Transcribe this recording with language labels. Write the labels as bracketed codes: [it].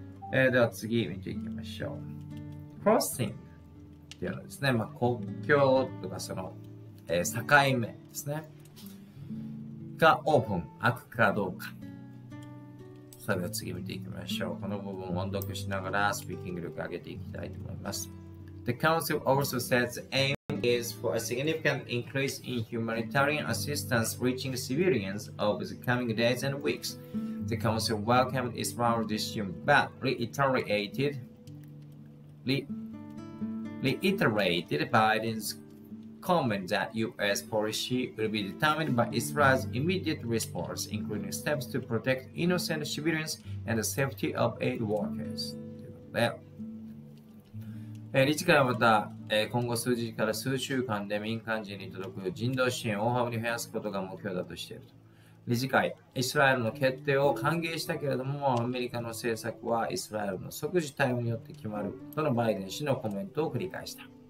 [ja] では次見ていきましょう。Crossing というのはですね、まあ、国境とかその、境目ですね。がオープン、開くかどうか。それでは次見ていきましょう。この部分を音読しながらスピーキング力を上げていきたいと思います。 [en] The Council also says the aim is for a significant increase in humanitarian assistance reaching civilians over the coming days and weeks. The Council welcomed Israel's decision but reiterated Biden's comment that U.S. policy will be determined by Israel's immediate response, including steps to protect innocent civilians and the safety of aid workers. [ja] ということで、理事からまた、今後数日から数週間で民間人に届く人道支援を大幅に増やすことが目標だとしていると。理事会、イスラエルの決定を歓迎したけれども、アメリカの政策はイスラエルの即時対応によって決まるとのバイデン氏のコメントを繰り返した。